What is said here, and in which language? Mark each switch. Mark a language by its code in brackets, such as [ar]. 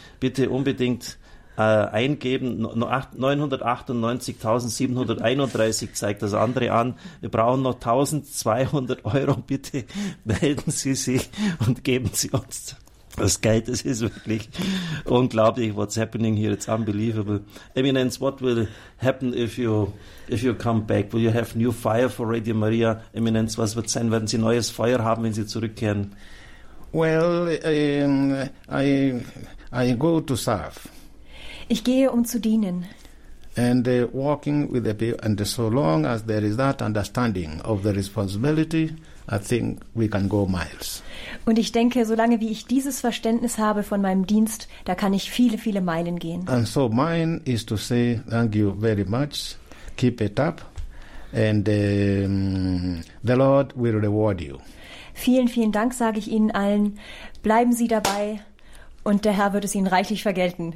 [de] Bitte unbedingt eingeben. 998.731 zeigt das andere an. Wir brauchen noch 1.200 Euro. Bitte melden Sie sich und geben Sie uns das Geld. Es ist wirklich unglaublich. [en] What's happening here? It's unbelievable. Eminence, what will happen if you come back? Will you have new fire for Radio Maria? [de] Eminence, was wird sein? Werden Sie neues Feuer haben, wenn Sie zurückkehren? [en] Well, I go to serve. [de] Ich gehe, um zu dienen. [en] And walking with the people, and so long as there is that understanding of the responsibility, I think we can go miles. [de] Und ich denke, solange wie ich dieses Verständnis habe von meinem Dienst, da kann ich viele, viele Meilen gehen. [en] And so mine is to say thank you very much, keep it up, and the Lord will reward you. [de] Vielen, vielen Dank sage ich Ihnen allen. Bleiben Sie dabei und der Herr wird es Ihnen reichlich vergelten.